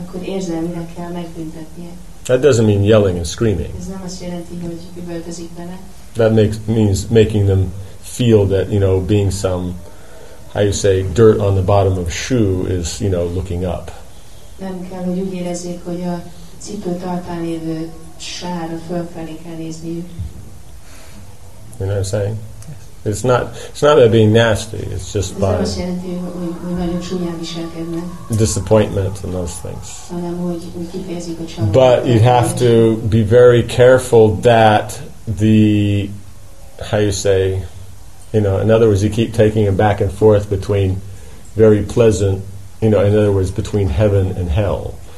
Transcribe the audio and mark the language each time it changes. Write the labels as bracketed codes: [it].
[en] That doesn't mean yelling and screaming. That means making them feel that, you know, being some, how you say, dirt on the bottom of a shoe is, you know, looking up. [hu] Nem kell, hogy úgy érezzék, hogy a cipő tartán lévő sár fölfelé kell nézni. [en] You know what I'm saying? It's not about being nasty, it's just by [hu] nem azt jelenti, hogy nagyon súlyán viselkednek. [en] Disappointment and those things. [hu] Hanem úgy kifejezik a csalódást. [en] But you have to be very careful that the, how you say, you know, in other words, you keep taking it back and forth between very pleasant, you know, in other words, between heaven and hell.